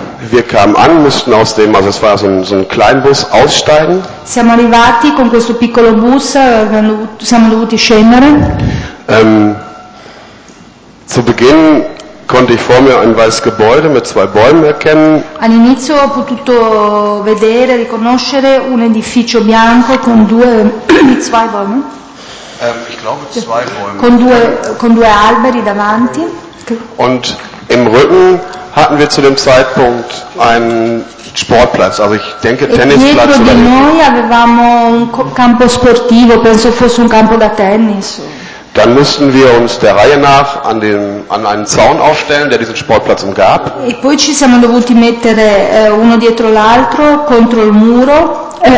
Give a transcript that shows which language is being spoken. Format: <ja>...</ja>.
<de>Wir kamen an, mussten aus dem, also es war so ein Kleinbus, aussteigen.</de> <it>Siamo arrivati con questo piccolo bus, siamo dovuti scendere.</it> <de>Zu Beginn konnte ich vor mir ein weißes Gebäude mit zwei Bäumen erkennen.</de> <it>All'inizio ho potuto vedere, riconoscere un edificio bianco con</it> <de>zwei Bäumen. Ich glaube zwei Bäume.</de> <it>Con due alberi davanti.</it> <de>Und im Rücken hatten wir zu dem Zeitpunkt einen Sportplatz, also ich denke Tennisplatz.</de> <it>E dietro di noi avevamo un campo sportivo, penso fosse un campo da tennis.</it> <de>Dann mussten wir uns der Reihe nach an dem an einen Zaun aufstellen, der diesen Sportplatz umgab.</de> <it>E poi ci siamo dovuti mettere uno dietro l'altro contro il muro.</it>